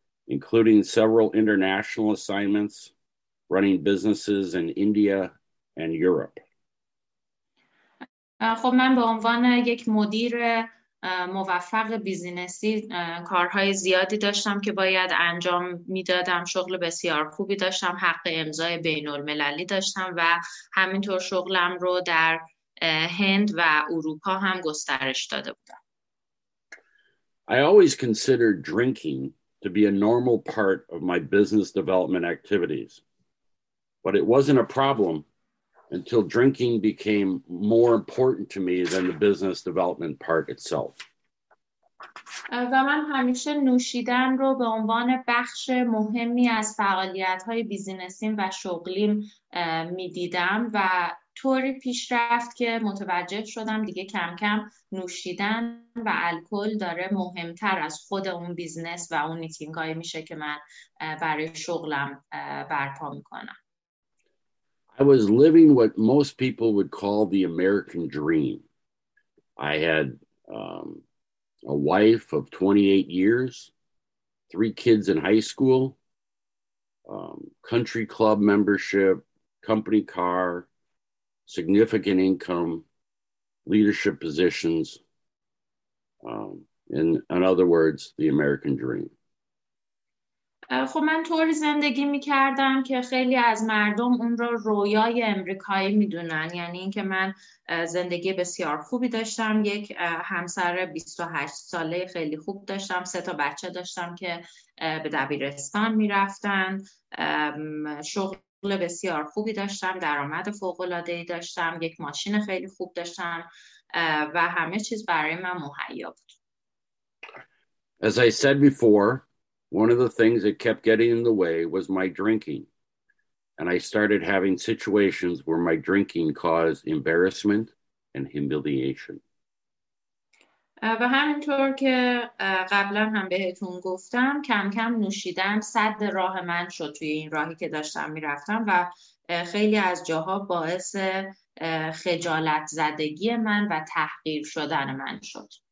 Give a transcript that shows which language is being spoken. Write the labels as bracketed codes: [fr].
[en] including several international assignments, running businesses in India and Europe. [fa] خب من به عنوان یک مدیر موفق بیزینسی کارهای زیادی داشتم که باید انجام میدادم، شغل بسیار خوبی داشتم، حق امضای بین المللی داشتم و همینطور شغلم رو در هند و اروپا هم گسترش داده بودم. [en] I always considered drinking to be a normal part of my business development activities, but it wasn't a problem until drinking became more important to me than the business development part itself. [fa] و من همیشه نوشیدن رو به عنوان بخش مهمی از فعالیت‌های بیزینسیم و شغلیم می‌دیدم و طوری پیش رفت که متوجه شدم دیگه کم کم نوشیدن و الکل داره مهمتر از خود اون بیزنس و اون میتینگ‌های میشه که من برای شغلم برپا می‌کنم. [en] I was living what most people would call the American dream. I had a wife of 28 years, three kids in high school, country club membership, company car, significant income, leadership positions, in other words, the American dream. [fa] خب من طوری زندگی میکردم که خیلی از مردم اون رو رویای امریکایی میدونن، یعنی اینکه من زندگی بسیار خوبی داشتم، یک همسر 28 ساله خیلی خوب داشتم، 3 تا بچه داشتم که به دبیرستان میرفتن، شغل بسیار خوبی داشتم، درآمد فوق‌العاده‌ای داشتم، یک ماشین خیلی خوب داشتم و همه چیز برای من مهیا بود. [en] As I said before, one of the things that kept getting in the way was my drinking, and I started having situations where my drinking caused embarrassment and humiliation. [fa] و همینطور که قبلا هم بهتون گفتم، کم کم نوشیدن سد راه من شد توی این راهی که داشتم میرفتم و خیلی از جاها باعث خجالت زدگی من و تحقیر شدن من شد.